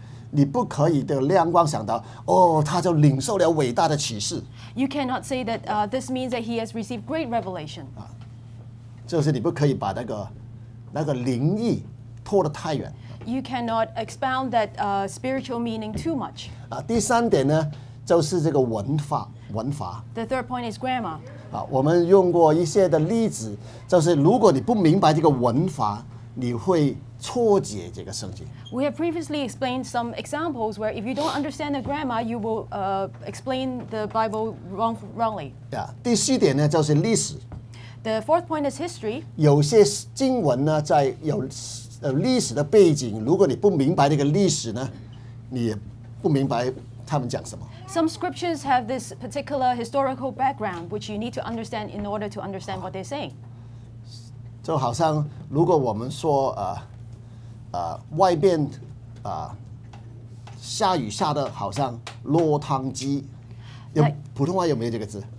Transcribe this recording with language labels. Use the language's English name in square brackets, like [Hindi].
[Chinese] 你不可以的亮光想到他就领受了伟大的启示。 [English] You cannot say that this means that he has received great revelation. [Chinese] 就是你不可以把那个灵意拖得太远。 [English] You cannot expound that spiritual meaning too much. [Chinese] 第三点呢，就是这个文法。 [English] The third point is grammar. [Chinese] 我们用过一些的例子，就是如果你不明白这个文法，你会错解这个圣经。 [English] We have previously explained some examples where if you don't understand the grammar, you will explain the Bible wrongly. [Chinese] Yeah. 第四点呢，就是历史。 [English] The fourth point is history. [Chinese] 有些经文呢，在有历史的背景，如果你不明白这个历史呢，你也不明白他们讲什么。 [English] Some scriptures have this particular historical background which you need to understand in order to understand what they're saying. [Chinese] 就好像如果我们说外边下雨下的好像落汤鸡，有普通话有没有这个字？